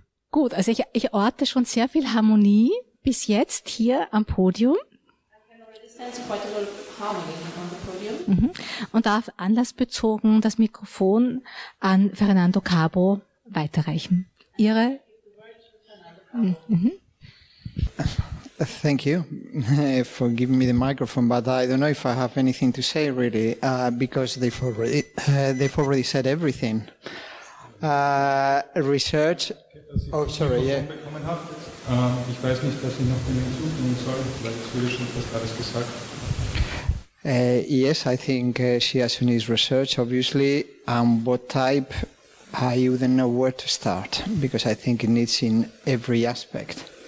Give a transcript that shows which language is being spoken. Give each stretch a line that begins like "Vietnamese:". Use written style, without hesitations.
German: Gut, also ich orte schon sehr viel Harmonie bis jetzt hier am Podium. Und darf anlassbezogen das Mikrofon an Fernando Cabo weiterreichen. Ihre
English: Thank you. For giving me the microphone, but I don't know if I have anything to say really, because they've already said everything. Research. Oh, sorry. Yeah.
German: Ich weiß nicht, was ich noch hinzufügen soll, vielleicht wurde schon fast alles gesagt.
English: Yes, I think Shiatsu needs research, obviously. What type, I wouldn't know where to start, because I think it needs in every aspect.